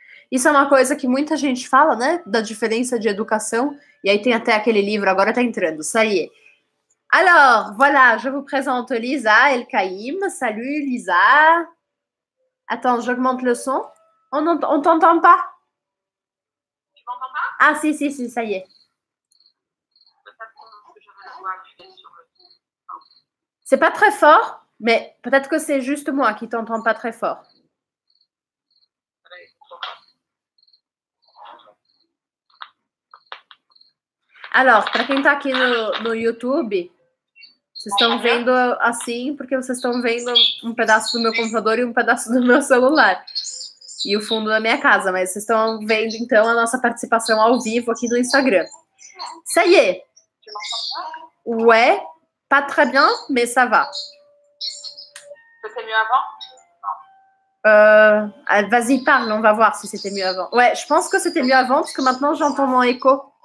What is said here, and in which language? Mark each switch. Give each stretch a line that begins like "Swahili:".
Portuguese: Isso é uma coisa que muita gente fala, né? Da diferença de educação. E aí tem até aquele livro, agora tá entrando.
French: Ça y est. Alors, voilà, je vous présente Lisa El Kaim. Salut, Lisa. Attends, j'augmente le son. On ne t'entend pas. Tu m'entends pas? Ah, si, ça y est. C'est pas très fort, mais peut-être que c'est juste moi qui t'entends pas très fort.
Portuguese: Alors, para quem está aqui no YouTube, vocês estão vendo assim, porque vocês estão vendo um pedaço do meu computador e um pedaço do meu celular. E o fundo da minha casa, mas vocês estão vendo então a nossa participação ao vivo aqui no Instagram.
French: Ça y est. Ouais, pas très bien, mais ça va. C'était mieux avant? Vas-y, parle, on va voir si c'était mieux avant. Ouais, je pense que c'était mieux avant, parce que maintenant j'entends mon écho.